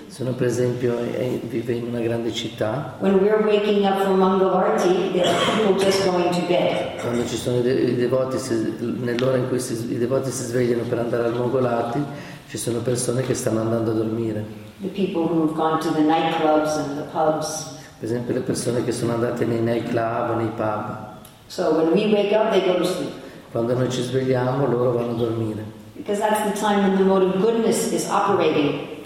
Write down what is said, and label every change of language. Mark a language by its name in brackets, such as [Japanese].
[Italian] se uno per esempio vive in una grande città, [English] when we're waking up from Mangalarti, there are people just going to bed. [Italian] Quando ci sono i devoti, nell'ora in cui i devoti si svegliano per andare al Mangalarti, ci sono persone che stanno andando a dormire. [English] The people who have gone to the nightclubs and the pubs. [Italian] Per esempio le persone che sono andate nei nightclub, nei pub. [English] So when we wake up, they go to sleep. [Italian] Quando noi ci svegliamo, loro vanno a dormire. [English] Because that's the time when the mode of goodness is operating.